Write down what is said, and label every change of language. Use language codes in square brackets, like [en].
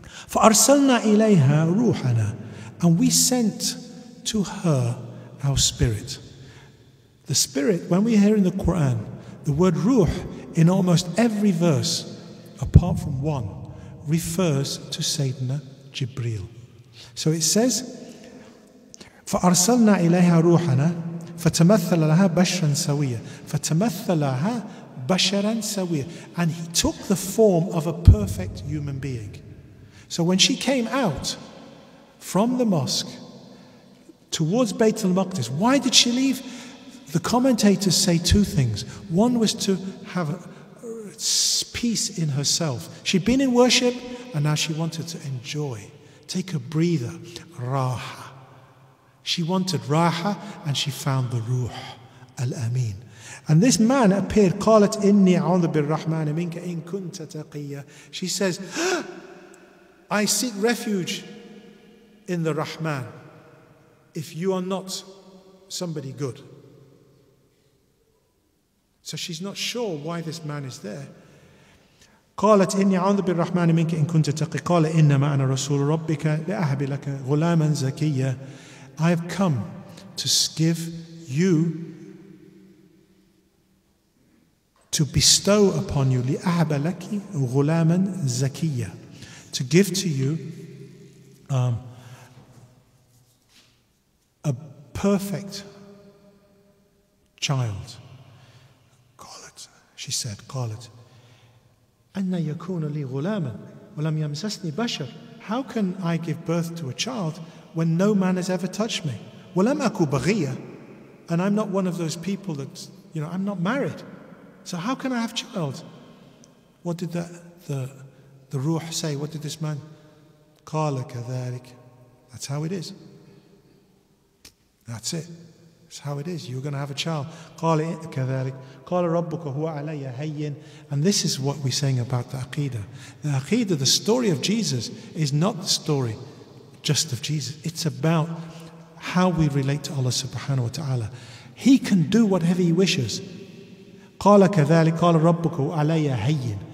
[ar] فَأَرْسَلْنَا إِلَيْهَا رُوحَنَا. [en] And we sent to her our spirit. The spirit, when we hear in the Quran, the word ruh in almost every verse, apart from one, refers to Sayyidina Jibreel. So it says, [ar] فَأَرْسَلْنَا إِلَيْهَا رُوحَنَا فَتَمَثَّلَ لَهَا بَشْرًا سَوِيًّا فَتَمَثَّلَ لَهَا بَشْرًا سَوِيًّا. [en] And he took the form of a perfect human being. So when she came out from the mosque, towards Bayt al-Maqdis, why did she leave? The commentators say two things. One was to have peace in herself. She'd been in worship, and now she wanted to enjoy, take a breather, raha. She wanted raha, and she found the ruh, al-ameen. And this man appeared, [ar] qalat inni a'udhu birrahmani minka in kunta taqiyya. [en] She says, I seek refuge in the Rahman, if you are not somebody good. So she's not sure why this man is there. [ar] قالت إني أعوذ بالرحمن منك إن كنت تقي قال إنما أنا رسول ربك لأهب لك غلاما زكيا. [en] I have come to give you, to bestow upon you, [ar] لأهب لك غلاما زكيا, [en] to give to you a perfect child. [ar] قالت, [en] she said, [ar] قالت أَنَّ يَكُونَ لِي غُلَامًا وَلَمْ يَمْسَسْنِي بَشَرٌ. [en] How can I give birth to a child when no man has ever touched me? [ar] وَلَمْ أَكُ بَغِيَّ. [en] And I'm not one of those people that, you know, I'm not married. So how can I have a child? What did the ruh say? What did this man? [ar] قَالَ كَذَلِكَ. [en] That's how it is. That's it. That's how it is. You're going to have a child. [ar] قال كذلك قال ربك هو علي هين. [en] And this is what we're saying about the Aqidah. The Aqidah, the story of Jesus, is not the story just of Jesus. It's about how we relate to Allah subhanahu wa ta'ala. He can do whatever He wishes. [ar] قال كذلك قال ربك هو علي هين.